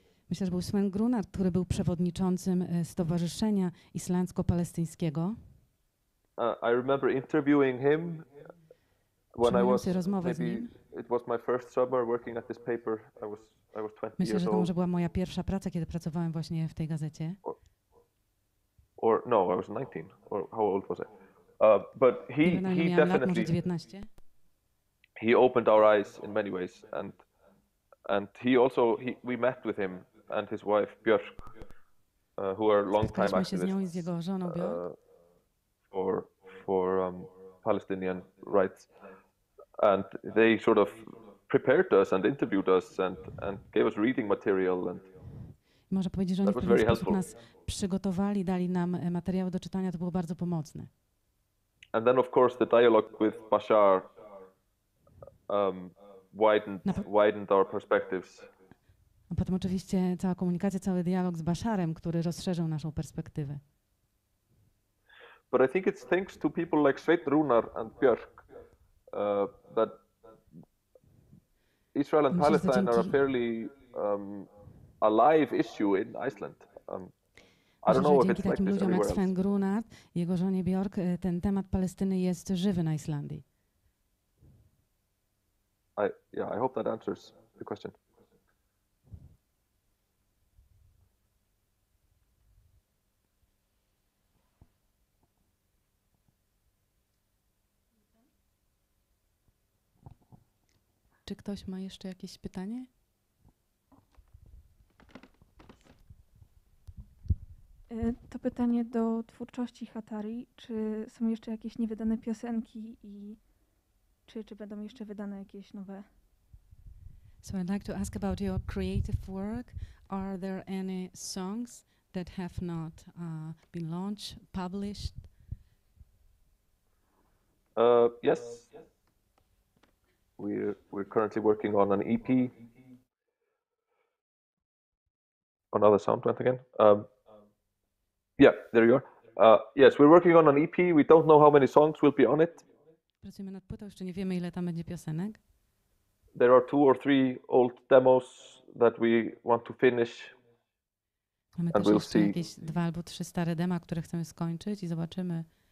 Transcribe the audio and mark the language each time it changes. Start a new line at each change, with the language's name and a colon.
Polish: Myślę, że był Sven Grunar, który był przewodniczącym stowarzyszenia islandzko-palestyńskiego.
English: I remember interviewing him when I was maybe it was my first summer working at this paper. I was 20
Polish: Myślę,
English: years old.
Polish: Myślę, że to może była moja pierwsza praca, kiedy pracowałem właśnie w tej gazecie.
English: Or no, I was 19. Or how old was I? But he definitely. He opened our eyes in many ways, and he also we met with him and his wife Björk, who are long-time activists for Palestinian rights, and they sort of prepared us and interviewed us and gave us reading material and.
Polish: Można powiedzieć, że oni w pewien sposób nas przygotowali, dali nam materiały do czytania. To było bardzo pomocne.
English: And then, of course, the dialogue with Bashar. Widened our perspectives.
Polish: A potem oczywiście cała komunikacja, cały dialog z Basharem, który rozszerzył naszą perspektywę.
English: But I think it's thanks to people like Sveit Rúnar and Björk that Israel and Palestine are a fairly alive issue in Iceland.
Polish: dzięki takim ludziom jak Sven Grunert i jego żonie Bjork ten temat Palestyny jest żywy na Islandii.
English: I hope that answers the question.
Polish: Czy ktoś ma jeszcze jakieś pytanie? To pytanie do twórczości Hatari. Czy są jeszcze jakieś niewydane piosenki i czy będą jeszcze wydane jakieś nowe?
English: So I'd like to ask about your creative work. Are there any songs that have not been launched, published? Yes. We're currently working on an EP. Another sound went again. Yeah, there you are. Yes, we're working on an EP. We don't know how many songs will be on it.
Polish: Pracujemy nad płytą, jeszcze nie wiemy, ile tam będzie piosenek.
English: There are two or three old demos that we want to finish.
Polish: Mamy
English: and we'll see.
Polish: Jakieś dwa albo trzy stare dema, które chcemy skończyć i zobaczymy.